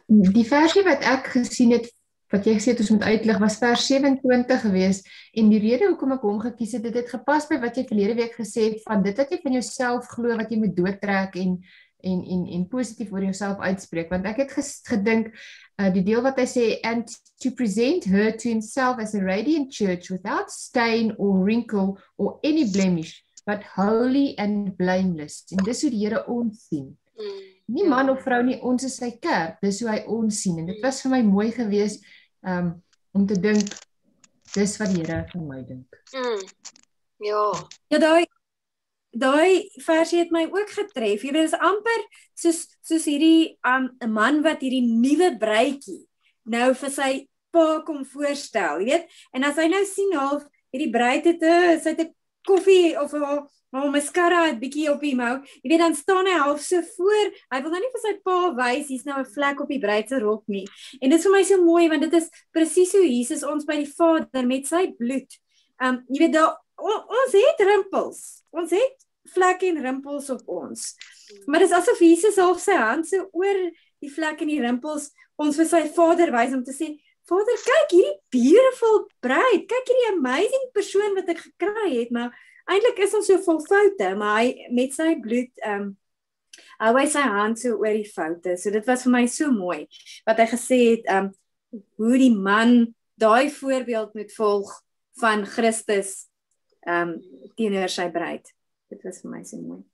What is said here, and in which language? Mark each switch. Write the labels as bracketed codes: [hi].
[af] Die versie wat ek gesien het wat jy gesê het ons moet uitlig was vers 27 geweest en die rede hoekom ek hom gekies het, dit gepas by wat jy verlede week gesê het van dit wat jy van jouself glo wat jy moet doortrek en positief oor jouself uitspreek, want ek het gedink die deel wat hy sê, [en] and to present her to himself as a radiant church without stain or wrinkle or any blemish, but holy and blameless. [af] En dis hoe die Here ons sien. Nie man of vrou nie, ons is sy kerk, dis hoe hy ons sien. En dit was vir my mooi gewees om te dink, dis wat die Here van my dink. Ja, daai versie het my ook getref. Jy weet, is amper soos hierdie 'n man wat hierdie nuwe bruidjie nou vir sy pa kom voorstel, jy weet. En as hy nou sien half hierdie bruid het sy het 'n koffie of haar mascara het bietjie op die mou, jy weet, dan staan hy half so voor. Hy wil nou nie vir sy pa wys hier's nou 'n vlek op die bruid se rok nie. En dit is vir my so mooi want dit is presies hoe Jesus ons by die Vader met sy bloed. Jy weet, ons het rimpels. Ons het vlek en rimpels op ons. Maar dis asof Jesus half sy hand so oor die vlek en die rimpels ons vir sy Vader wys om te sê, Vader, kijk hierdie [en] beautiful bride. [af] Kijk hierdie amazing persoon wat ek gekry het. Maar eindelijk is ons so vol foute. Maar hy met sy bloed, hou hy sy hand so oor die foute. So dit was vir my so mooi. Wat hy gesê het, hoe die man daai voorbeeld moet volg van Christus teenoor sy bruid. Dit was vir my so mooi.